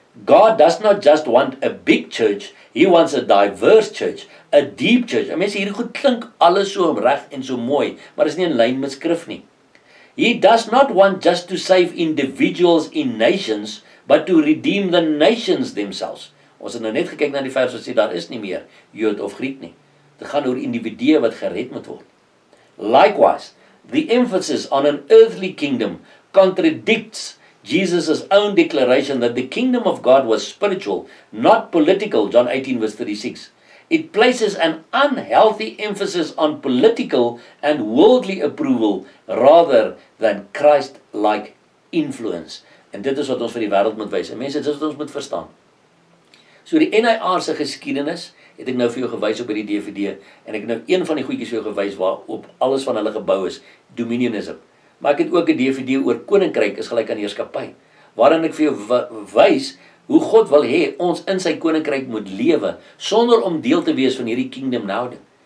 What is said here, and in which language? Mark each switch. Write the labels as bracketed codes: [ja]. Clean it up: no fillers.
[en] God does not just want a big church, he wants a diverse church, a deep church. [af] En mense, hierdie goed klink alles so reg en so mooi, maar is nie in lyn met skrif nie. [en] He does not want just to save individuals in nations, but to redeem the nations themselves. [af] Ons het nou net gekyk na die vers wat sê, daar is nie meer Jood of Griek nie. Dit gaan oor individue wat gered moet word. [en] Likewise, the emphasis on an earthly kingdom contradicts Jesus' own declaration that the kingdom of God was spiritual, not political, John 18 verse 36. It places an unhealthy emphasis on political and worldly approval rather than Christ-like influence. [af] En dit is wat ons vir die wêreld moet wys. En mense, dit is wat ons moet verstaan. So die N.A.R. se geskiedenis het ek nou vir jou gewys op hierdie DVD en ek het nou een van die goedjies vir jou gewys waarop alles van hulle gebou is, dominionism. Maar ek het ook 'n DVD oor koninkryk is gelyk aan heerskappy, waarin ek vir jou wys hoe God wil hê ons in sy koninkryk moet lewe sonder om deel te wees van hierdie kingdom nou ding.